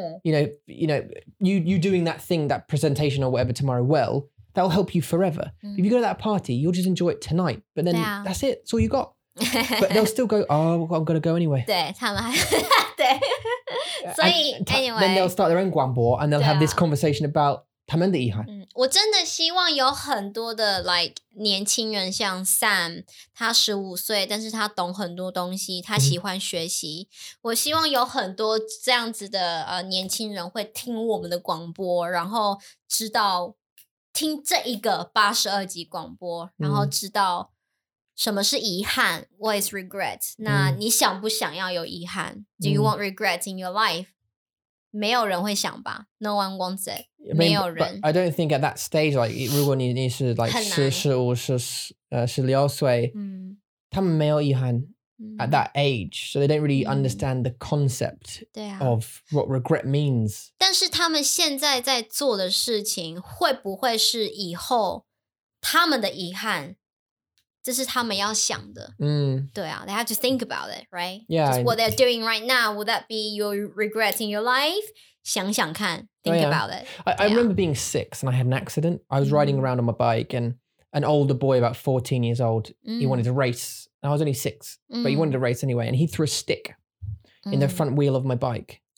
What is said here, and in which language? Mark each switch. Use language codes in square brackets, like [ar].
[en] You doing that thing, that presentation or whatever tomorrow well,That'll help you forever. If you go to that party, you'll just enjoy it tonight. But then that's it. That's all you got. But they'll still go, oh, I'm going to go anyway. [zh] 对他们还对所以 [en] anyway. Then they'll start their own 广播 and they'll have this conversation about [zh] 他们的遗憾。我真的希望有很多的 like 年轻人像 Sam, 他15岁但是他懂很多东西他喜欢学习。我希望有很多这样子的年轻人会听我们的广播然后知道听这一个82集广播然后知道什么是遗憾 [en] What is regret [zh] 那你想不想要有遗憾 [en] Do you want regrets in your life [zh] 没有人会想吧 [en] No one wants it I [zh] mean, 没有人 [en] But I don't think at that stage like, [zh] 如果 你是 [en] like, [zh] 15 岁他们没有遗憾 [en] at that age, so they don't really understand the concept of what regret means. [zh] 但是他们现在在做的事情会不会是以后他们的遗憾这是他们要想的。对啊, [en] they have to think about it, right? Yeah. Just what they're doing right now, will that be your regret in your life? [zh] 想想看, [en] think about it. I remember being 6 and I had an accident. I was riding around on my bike and an older boy about 14 years old, he wanted to race. I was only 6, but he wanted to race anyway. And he threw a stick in the front wheel of my bike.